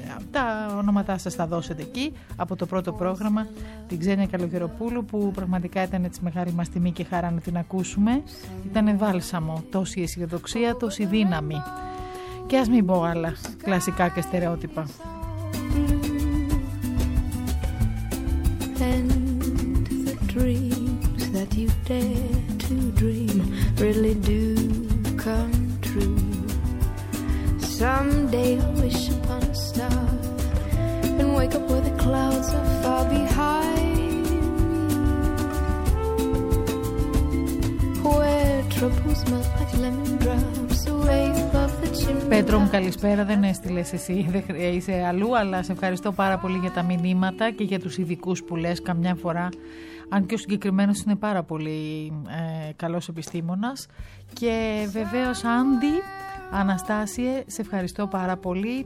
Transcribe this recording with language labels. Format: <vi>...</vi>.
<el>Τα ονόματα σας θα δώσετε εκεί από το πρώτο πρόγραμμα, την Ξένια Καλογεροπούλου, που πραγματικά ήταν έτσι μεγάλη μας τιμή και χαρά να την ακούσουμε. Ήταν βάλσαμο, τόση αισιοδοξία, τόση δύναμη. Και ας μην πω άλλα κλασικά και στερεότυπα.</el> <en>Dreams that you dare to dream really do come true. Someday wish upon a star and wake up where the clouds are far behind, where troubles melt like lemon drops away.</en> <el>Πέτρο μου, καλησπέρα. Δεν έστειλες εσύ, δεν είσαι αλλού, αλλά σε ευχαριστώ πάρα πολύ για τα μηνύματα και για τους ειδικούς που λες καμιά φορά. Αν και ο συγκεκριμένος είναι πάρα πολύ καλός επιστήμονας. Και βεβαίως, Άντι, Αναστάσιε, σε ευχαριστώ πάρα πολύ.</el>